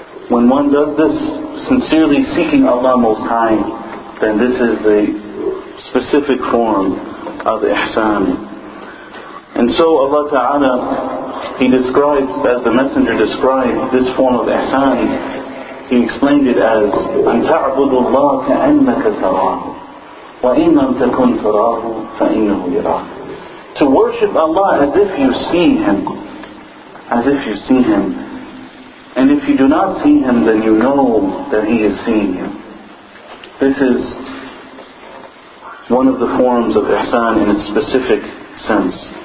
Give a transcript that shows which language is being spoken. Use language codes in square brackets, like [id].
[en] When one does this sincerely seeking Allah Most High, then this is the specific form of ihsan. And so Allah Ta'ala, He describes, as the Messenger described, this form of ihsan. He explained it as, [ar] أَن تَعْبُدُ اللَّهَ كَأَنَّكَ تَرَاهُ وَإِن لَمْ تَكُنْ تَرَاهُ فَإِنَّهُ يَرَاكَ. [en] To worship Allah as if you see Him. As if you see Him. And if you do not see Him, then you know that He is seeing you. This is one of the forms of ihsan in its specific sense.